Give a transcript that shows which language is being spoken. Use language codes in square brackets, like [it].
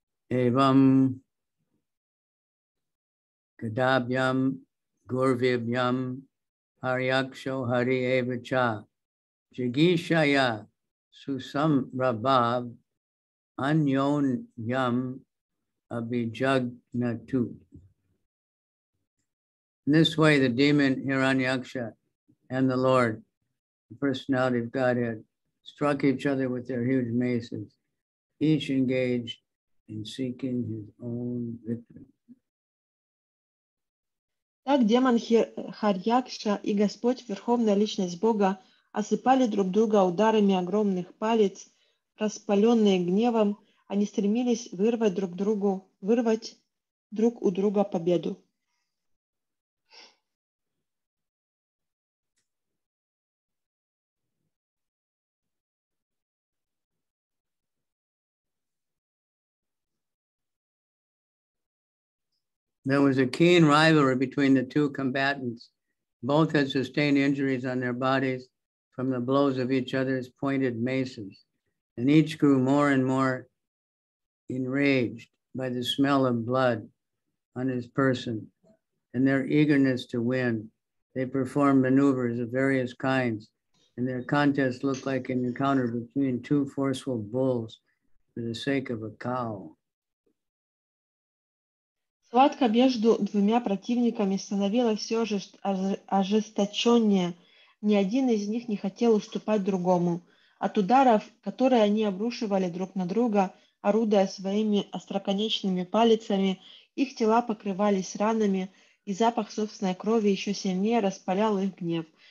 [sa] Эвам кадабьям гурвибьям харьякшо хари эвача джигишая сусам рабаб аньон ям абиджагнату. [en] In this way, the demon Hiranyaksha and the Lord, the personality of Godhead, struck each other with their huge maces, each engaged in seeking his own victory. [ru] Так демон Харьякша и Господь, Верховная Личность Бога, осыпали друг друга ударами огромных палец, распаленные гневом, они стремились вырвать друг другу, вырвать друг у друга победу. [en] There was a keen rivalry between the two combatants. Both had sustained injuries on their bodies from the blows of each other's pointed maces, and each grew more and more enraged by the smell of blood on his person. In their eagerness to win, they performed maneuvers of various kinds, and their contest looked like an encounter between two forceful bulls for the sake of a cow. [ru] Схватка между двумя противниками становилась все ожесточеннее. Ни один из них не хотел уступать другому. От ударов, которые они обрушивали друг на друга, орудуя своими остроконечными палицами, их тела покрывались ранами, и запах собственной крови еще сильнее распалял их гнев.